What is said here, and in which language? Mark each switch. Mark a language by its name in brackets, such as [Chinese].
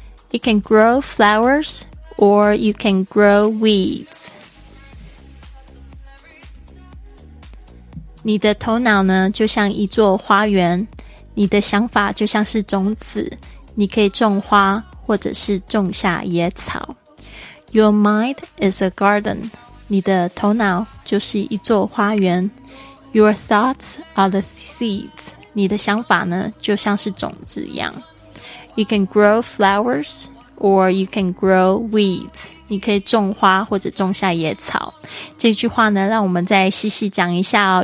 [English] You can grow flowers or you can grow weeds. [Chinese] 你的头脑呢，就像一座花园，你的想法就像是种子，你可以种花或者是种下野草。 [English] Your mind is a garden. [Chinese] 你的头脑就是一座花园。 [English] Your thoughts are the seeds. [Chinese] 你的想法呢，就像是种子一样。 [English] You can grow flowers or you can grow weeds. [Chinese] 你可以种花或者种下野草。这句话呢，让我们再细细讲一下哦。